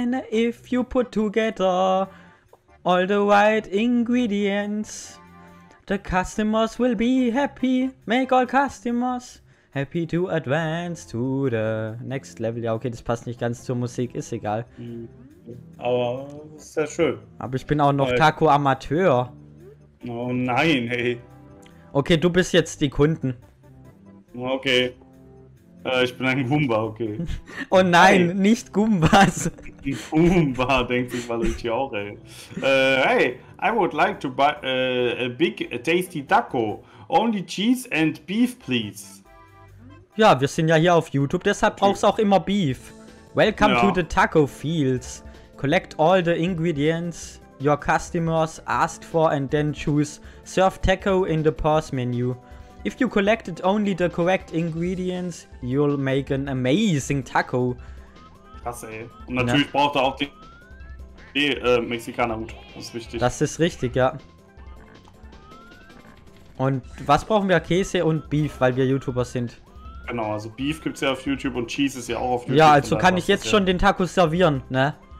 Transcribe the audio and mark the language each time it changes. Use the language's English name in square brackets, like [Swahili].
[English] If you put together all the right ingredients, the customers will be happy. Make all customers happy to advance to the next level. [German] Ja, okay, das passt nicht ganz zur Musik, ist egal. Aber ist ja schön. Aber ich bin auch noch Taco-Amateur. Oh nein, hey. Okay, du bist jetzt die Kunden. Okay. Ich bin ein Goomba, okay. Oh nein, hey. Nicht Goombas. Goomba, denkt sich Waluigi auch, ey. [English] Hey, I would like to buy a big tasty taco. Only cheese and beef, please. [German] Ja, wir sind ja hier auf YouTube, deshalb brauchst du auch immer Beef. [English] Welcome to the taco fields. Collect all the ingredients. your customers asked for and then choose serve taco in the pause menu. If you collected only the correct ingredients, you'll make an amazing taco. [German] Krass, ey. Und natürlich braucht er auch die Mexikaner-Hut. Das ist wichtig. Das ist richtig, ja. Und was brauchen wir? Käse und Beef, weil wir YouTuber sind. Genau, also Beef gibt's ja auf YouTube und Cheese ist ja auch auf YouTube. Ja, also kann ich jetzt schon den Taco servieren, ne?